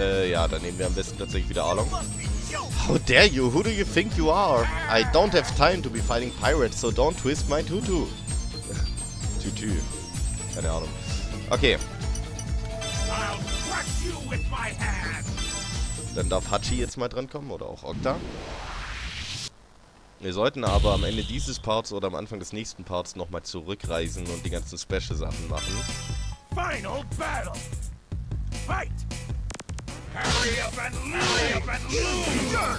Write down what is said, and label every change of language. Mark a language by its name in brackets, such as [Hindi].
[German] Ja, dann nehmen wir am besten tatsächlich wieder Arlong. [English] How dare you? Who do you think you are? I don't have time to be fighting pirates, so don't twist my tutu. Tutu. [German] Keine Ahnung. [English] Okay. I'll crush you with my hand. [German] Dann darf Hachi jetzt mal dran kommen oder auch Okta. Wir sollten aber am Ende dieses Parts oder am Anfang des nächsten Parts nochmal zurückreisen und die ganzen Special-Sachen machen. [English] Final Battle! Fight! Hurry up and hurry up and lose!